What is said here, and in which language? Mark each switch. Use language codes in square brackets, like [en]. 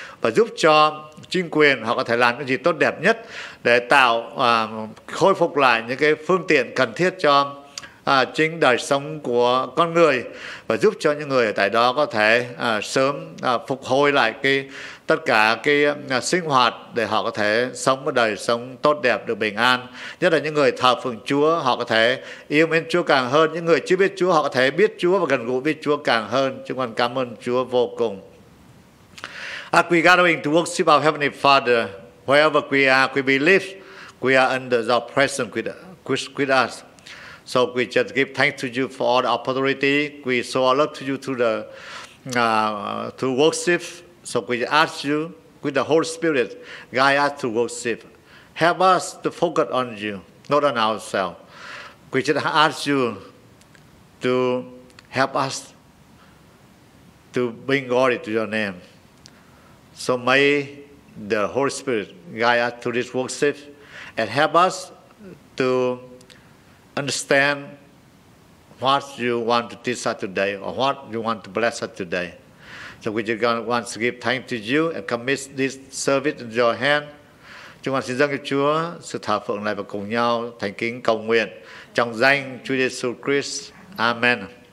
[vi] và giúp cho chính quyền họ có thể làm những gì tốt đẹp nhất để tạo khôi phục lại những cái phương tiện cần thiết cho chính đời sống của con người, và giúp cho những người ở tại đó có thể sớm phục hồi lại cái tất cả cái sinh hoạt để họ có thể sống một đời sống tốt đẹp, được bình an. Nhất là những người thờ phượng Chúa, họ có thể yêu mến Chúa càng hơn. Những người chưa biết Chúa, họ có thể biết Chúa và gần gũi với Chúa càng hơn. Chúng con cảm ơn Chúa vô cùng. [en] As we gathering to worship our Heavenly Father, wherever we are, we believe we are under your presence with us. So we just give thanks to you for all the opportunity. We show our love to you through the to worship. So we ask you, with the Holy Spirit, guide us to worship. Help us to focus on you, not on ourselves. We just ask you to help us to bring glory to your name. So may the Holy Spirit guide us to this worship and help us to understand what you want to teach us today or what you want to bless us today. So we just want to give thanks to you and commit this service into your hand. [vi] Chúng con xin dâng cho Chúa sự thờ phượng này và cùng nhau thành kính cầu nguyện trong danh Chúa Giêsu Christ. Amen.